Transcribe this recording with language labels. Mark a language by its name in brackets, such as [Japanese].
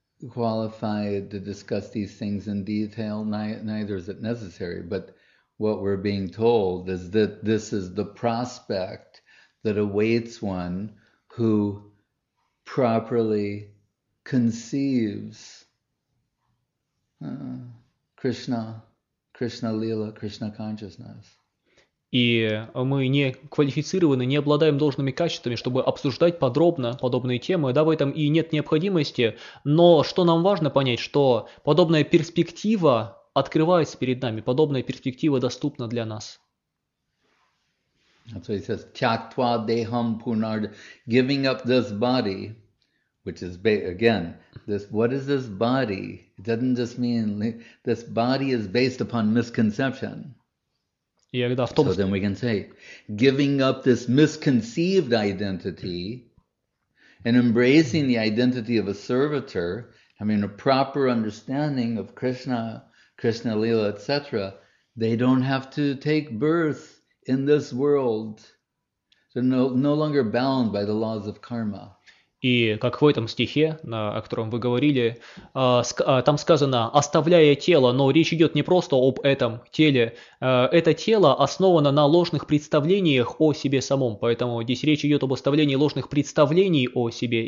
[English] qualified to discuss these things in detail, neither is it necessary, but what we're being told is that this is the prospect that awaits one who properly conceives Krishna, Krishna Lila, Krishna consciousness. [Russian] И мы не квалифицированы, не обладаем должными качествами, чтобы обсуждать подробно подобные темы, да, в этом и нет необходимости, но что нам важно понять, что подобная перспектива открывается перед нами, подобная перспектива доступна для нас. [English] That's what he says, Tyaktva deham punard, giving up this body, which is, again, this, what is this body? It doesn't just mean, this body is based upon misconception. So then we can say, giving up this misconceived identity and embracing the identity of a servitor, I mean, a proper understanding of Krishna, Krishna Lila, etc., they don't have to take birth in this world. They're no longer bound by the laws of karma. [Russian] И как в этом стихе, о котором вы говорили, там сказано «оставляя тело», но речь идет не просто об этом теле. Это тело основано на ложных представлениях о себе самом, поэтому здесь речь идет об оставлении ложных представлений о себе.